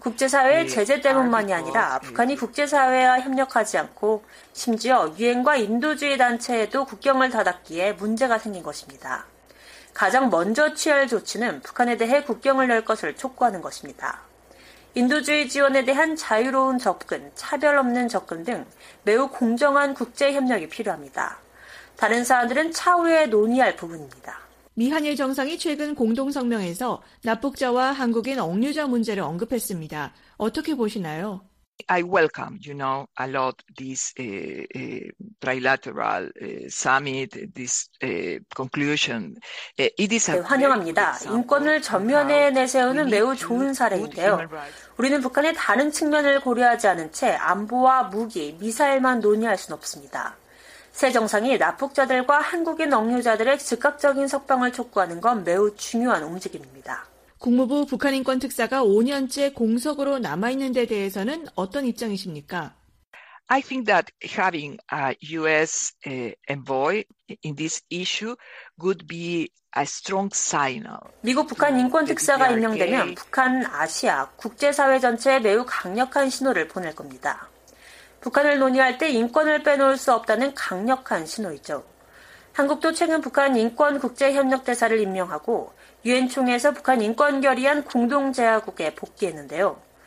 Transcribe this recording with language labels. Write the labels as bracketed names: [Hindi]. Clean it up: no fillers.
[Korean] 국제사회의 제재 때문만이 아니라 북한이 국제사회와 협력하지 않고 심지어 유엔과 인도주의 단체에도 국경을 닫았기에 문제가 생긴 것입니다. 가장 먼저 취할 조치는 북한에 대해 국경을 열 것을 촉구하는 것입니다. 인도주의 지원에 대한 자유로운 접근, 차별 없는 접근 등 매우 공정한 국제 협력이 필요합니다. 다른 사안들은 차후에 논의할 부분입니다. 미 한일 정상이 최근 공동 성명에서 납북자와 한국인 억류자 문제를 언급했습니다. 어떻게 보시나요? [English] I welcome, you know, a lot this trilateral summit, this conclusion. It is a [Korean] 네, 환영합니다. 인권을 전면에 내세우는 매우 좋은 사례인데요. 우리는 북한의 다른 측면을 고려하지 않은 채 안보와 무기, 미사일만 논의할 수는 없습니다. 새 정상이 납북자들과 한국인 억류자들의 즉각적인 석방을 촉구하는 건 매우 중요한 움직임입니다. 국무부 북한인권특사가 5년째 공석으로 남아있는 데 대해서는 어떤 입장이십니까? [English] I think that having a U.S. envoy in this issue would be a strong signal. [Korean] 미국 북한인권특사가 임명되면 북한, 아시아, 국제사회 전체에 매우 강력한 신호를 보낼 겁니다. 북한을 논의할 때 인권을 빼놓을 수 없다는 강력한 신호이죠. 한국도 최근 북한 인권국제협력대사를 임명하고 유엔총회에서 북한 인권결의안 공동제약국에 복귀했는데요.